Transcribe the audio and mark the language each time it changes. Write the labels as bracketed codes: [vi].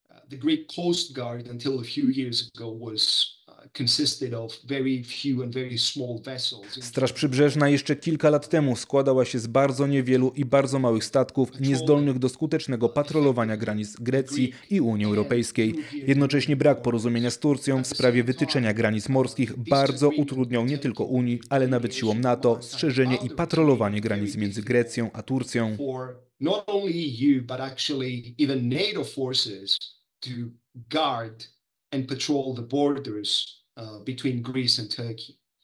[en] The Greek Coast Guard until a few years ago was consisted of very few and very small vessels. [pl] Straż przybrzeżna jeszcze kilka lat temu składała się z bardzo niewielu i bardzo małych statków, niezdolnych do skutecznego patrolowania granic Grecji i Unii Europejskiej. Jednocześnie brak porozumienia z Turcją w sprawie wytyczenia granic morskich bardzo utrudniał nie tylko Unii, ale nawet siłom NATO strzeżenie i patrolowanie granic między Grecją a Turcją. [en] Not only EU, but actually even NATO forces to guard and patrol the borders between Greece and Turkey.